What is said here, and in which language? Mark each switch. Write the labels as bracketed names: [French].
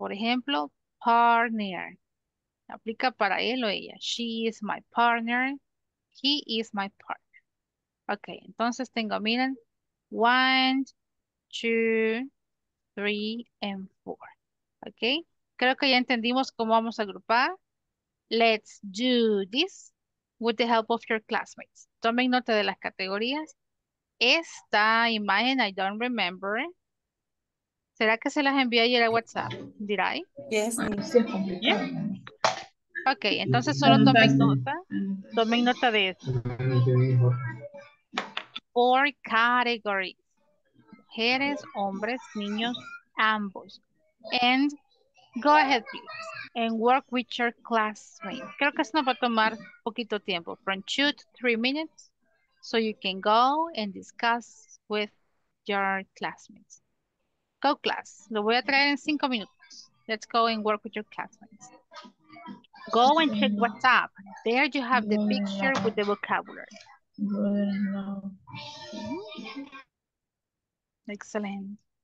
[Spanish] Por ejemplo, partner. Aplica para él o ella. [English] She is my partner. He is my partner. [Spanish] Ok, entonces tengo, miren, 1, 2, 3, and 4. Ok, creo que ya entendimos cómo vamos a agrupar. [English] Let's do this with the help of your classmates. [Spanish] Tomen nota de las categorías. Esta imagen, [English] I don't remember. [Spanish] ¿Será que se las envié ayer a WhatsApp? [English] ¿Did I? Yes, yeah. [Spanish] Ok, entonces solo tomen nota. Tomen nota de esto. [English] Four categories. [Spanish] Mujeres, hombres, niños, ambos. [English] And go ahead, please. And work with your classmates. [Spanish] Creo que eso nos va a tomar poquito tiempo. [English] From 2 to 3 minutes. So you can go and discuss with your classmates. Go class. [Spanish] Lo voy a traer en 5 minutos. [English] Let's go and work with your classmates. Go and check what's up. There you have the picture with the vocabulary. Excellent.